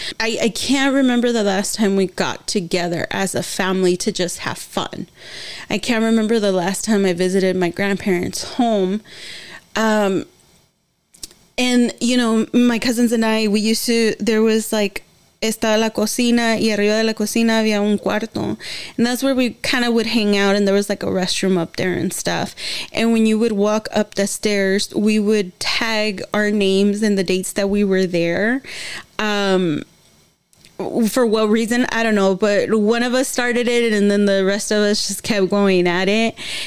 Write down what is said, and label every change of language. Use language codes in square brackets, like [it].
[en] I can't remember the last time we got together as a family to just have fun. I can't remember the last time I visited my grandparents' home. And, you know, my cousins and I, we used to, there was like [es] estaba la cocina y arriba de la cocina había un cuarto. [en] And that's where we kind of would hang out, and there was like a restroom up there and stuff. And when you would walk up the stairs, we would tag our names and the dates that we were there. For what reason, I don't know, but one of us started it and then the rest of us just kept going at it.